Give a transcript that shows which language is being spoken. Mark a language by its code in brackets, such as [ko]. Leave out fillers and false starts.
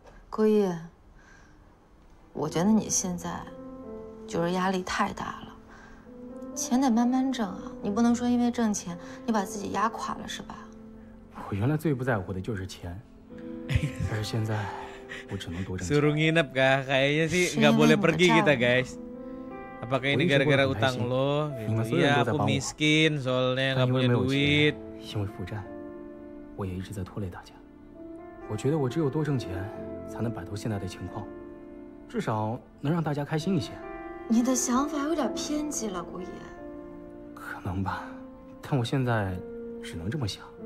[zh] 顾毅，我觉得你现在就是压力太大了。钱得慢慢挣啊，你不能说因为挣钱你把自己压垮了是吧？我原来最不在乎的就是钱，但是现在我只能多挣钱。 [id] Suruh nginep kah? Kayaknya sih nggak boleh pergi kita guys. Apakah ini gara-gara utang lo? Iya, aku miskin soalnya nggak punya duit. [zh] 因为负债，我也一直在拖累大家。我觉得我只有多挣钱，才能摆脱现在的情况，至少能让大家开心一些。你的想法有点偏激了，顾爷。可能吧，但我现在只能这么想。